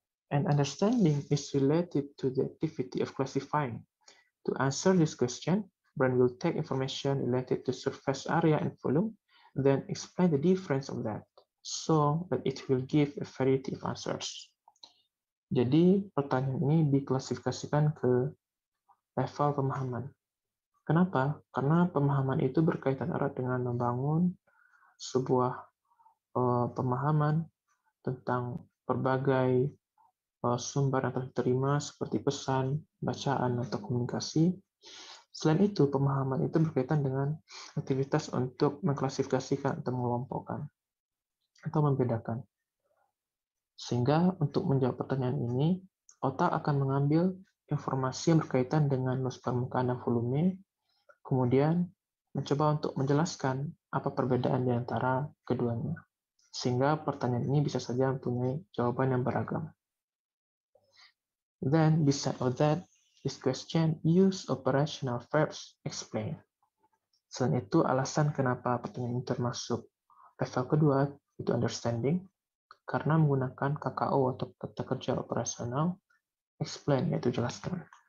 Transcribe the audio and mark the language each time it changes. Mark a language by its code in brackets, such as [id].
[en] And understanding is related to the activity of classifying. To answer this question, brain will take information related to surface area and volume, then explain the difference of that, so that it will give a variety of answers. [id] Jadi pertanyaan ini diklasifikasikan ke level pemahaman. Kenapa? Karena pemahaman itu berkaitan erat dengan membangun sebuah pemahaman tentang berbagai sumber yang terima seperti pesan, bacaan, atau komunikasi. Selain itu, pemahaman itu berkaitan dengan aktivitas untuk mengklasifikasikan atau mengelompokkan atau membedakan. Sehingga untuk menjawab pertanyaan ini, otak akan mengambil informasi yang berkaitan dengan luas permukaan dan volume, kemudian mencoba untuk menjelaskan apa perbedaan di antara keduanya. Sehingga pertanyaan ini bisa saja mempunyai jawaban yang beragam. [en] Then, beside all that, this question use operational verbs explain. [id] Selain itu, alasan kenapa pertanyaan ini termasuk level kedua, itu understanding, karena menggunakan KKO atau kata kerja operasional, explain, yaitu jelaskan.